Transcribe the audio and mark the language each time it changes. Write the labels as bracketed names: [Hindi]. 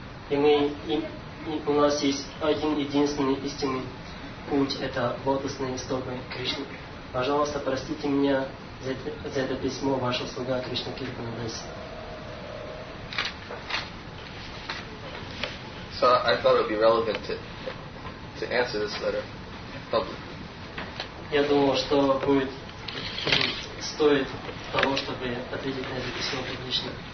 [Russian] И у нас есть один единственный истинный путь, это лотосные стопы Кришны. Пожалуйста, простите меня за это письмо, ваша слуга Кришна Кирпанадаси. [English] So I thought it would be relevant to answer this letter publicly. [Russian] Я думал, что будет стоит того, чтобы ответить на это письмо публично.